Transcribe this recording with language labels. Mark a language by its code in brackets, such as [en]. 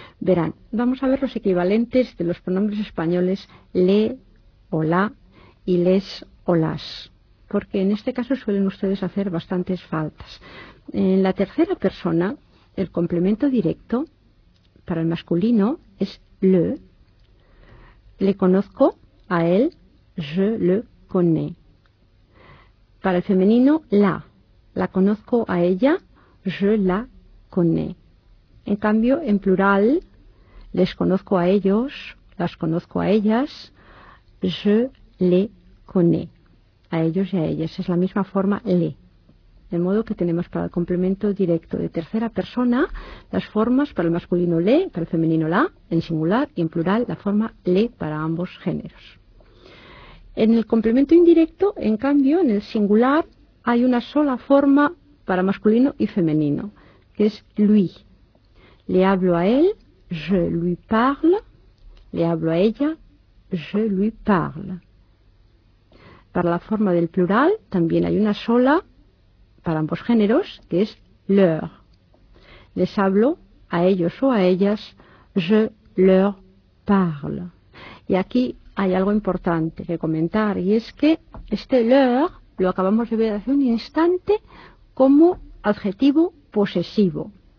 [es] Verán, vamos a ver los equivalentes de los pronombres españoles le o la y les o las, porque en este caso suelen ustedes hacer bastantes faltas. En la tercera persona, el complemento directo para el masculino es le. Le conozco a él, [fr] je le connais. [es] Para el femenino, la. La conozco a ella, [fr] je la connais. [es] En cambio, en plural, les conozco a ellos, las conozco a ellas, [fr] je les connais. [es] A ellos y a ellas. Es la misma forma le. De modo que tenemos para el complemento directo de tercera persona las formas para el masculino le, para el femenino la, en singular, y en plural la forma le para ambos géneros. En el complemento indirecto, en cambio, en el singular hay una sola forma para masculino y femenino, que es lui. Le hablo a él, [fr] je lui parle. [es] Le hablo a ella, [fr] je lui parle. [es] Para la forma del plural también hay una sola para ambos géneros, que es leur. Les hablo a ellos o a ellas, [fr] je leur parle. [es] Y aquí hay algo importante que comentar, y es que este leur lo acabamos de ver hace un instante como adjetivo posesivo.